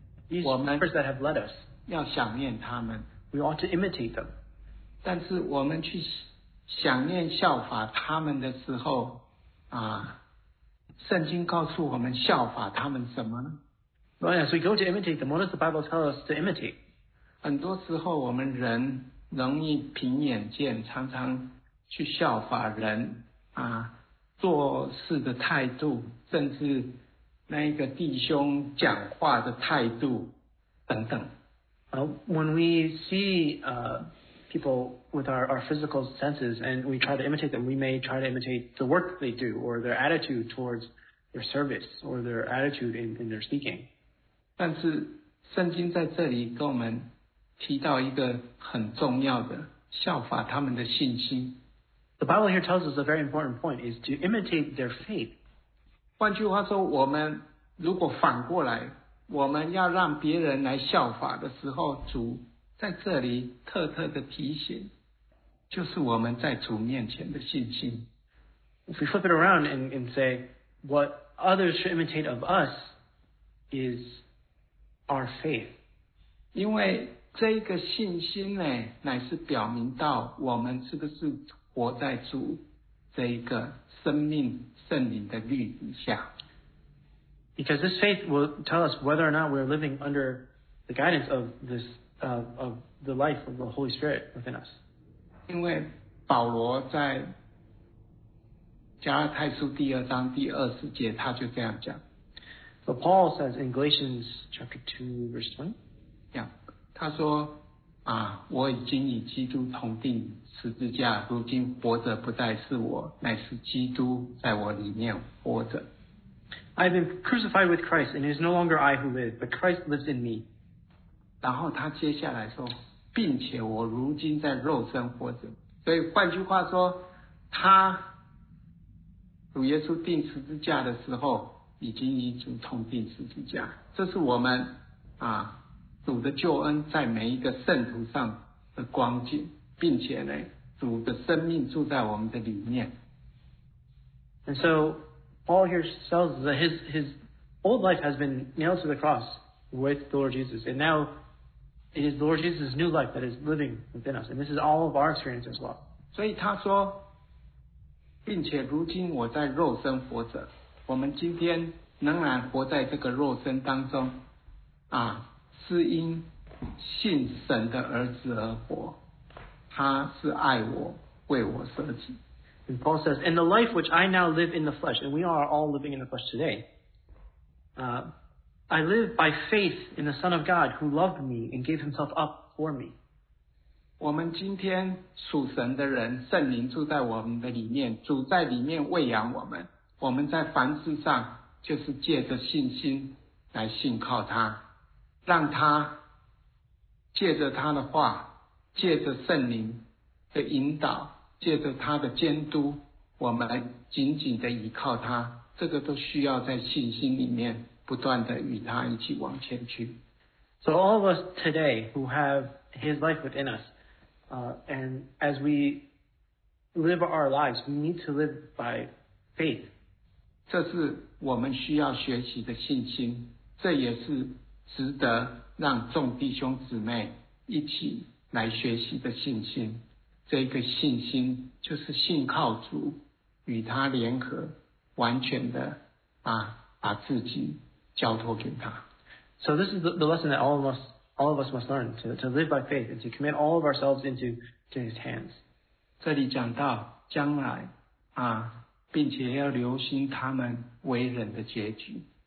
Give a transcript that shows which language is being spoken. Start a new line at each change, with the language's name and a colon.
English: These members that have led us
Chinese: 要想念他们
English: We ought to imitate them.
Chinese: 但是我们去想念效法他们的时候啊，圣经告诉我们效法他们什么呢
English: Well, as we go to imitate them, what does the Bible tell us to imitate?
Chinese: 很多时候我们人容易凭眼见常常去效法人啊做事的态度甚至那一个弟兄讲话的态度等等。
English: When we see people with our physical senses and we try to imitate them, we may try to imitate the work they do or their attitude towards their service or their attitude in their speaking.
Chinese: 但是圣经在这里跟我们提到一个很重要的效法他们的信心。
English: The Bible here tells us a very important point is to imitate their faith.
Chinese: 换句话说我们如果反过来我们要让别人来效法的时候主在这里特特的提醒就是我们在主面前的信心。
English: If we flip it around and say what others should imitate of us is our faith.
Chinese: 因为这个信心呢，乃是表明到我们是不是活在主这一个生命圣灵的律底下。
English: Because this faith will tell us whether or not we're living under the guidance of this, of the life of the Holy Spirit within us.
Chinese: 因为保罗在加拉太书第二章第二十节，他就这样讲。
English: So Paul says in Galatians chapter 2 verse 20. Yeah,
Chinese: 他说啊，我已经与基督同钉十字架，如今活着不再是我，乃是基督在我里面活着。
English: I have been crucified with Christ, and it is no longer I who live, but Christ lives in me.
Chinese: 然后他接下来说，并且我如今在肉身活着。所以换句话说，他主耶稣钉十字架的时候，已经与主同钉十字架。这是我们啊主的救恩在每一个圣徒上的光景，并且呢，主的生命住在我们的里面。
English: And so. Paul here tells that his old life has been nailed to the cross with the Lord Jesus, and now it is the Lord Jesus' new life that is living within us, and this is all of our experience as well.
Chinese: 所以他说，并且如今我在肉身活着，我们今天仍然活在这个肉身当中，啊，是因信神的儿子而活，他是爱我，为我舍己。
English: And Paul says, in the life which I now live in the flesh, and we are all living in the flesh today, I live by faith in the Son of God who loved me and gave himself up for me.
Chinese: 我们今天属神的人，圣灵住在我们的里面，主在里面喂养我们，我们在凡事上就是借着信心来信靠他，让他借着他的话，借着圣灵的引导，借着他的监督，我们紧紧的依靠他，这个都需要在信心里面不断的与他一起往前去。
English: So all of us today who have his life within us, and as we live our lives, we need to live by faith.
Chinese: 这是我们需要学习的信心，这也是值得让众弟兄姊妹一起来学习的信心。这个信心就是信靠主，与他联合，完全的啊，把自己交托给他。
English: So this is the lesson that all of us must learn to live by faith and to commit all of ourselves into His hands.
Chinese: 这里讲到将来啊，并且要留心他们为人的结局。